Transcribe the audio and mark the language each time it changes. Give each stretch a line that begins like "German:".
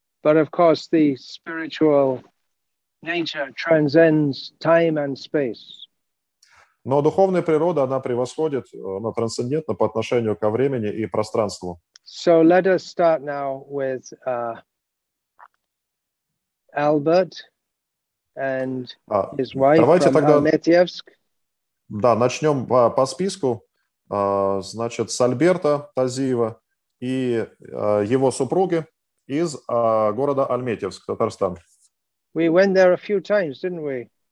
English: But of course the spiritual nature transcends time and space.
Russian: Но духовная природа, она превосходит, она трансцендентна по отношению ко времени и пространству.
English: So let us start now with Albert and his wife
Russian: Давайте
English: from Almetyevsk.
Russian: Да, начнем по списку. Значит, с Альберта Тазиева и его супруги из города Альметьевск, Татарстан.
English: We went there a few times, didn't we?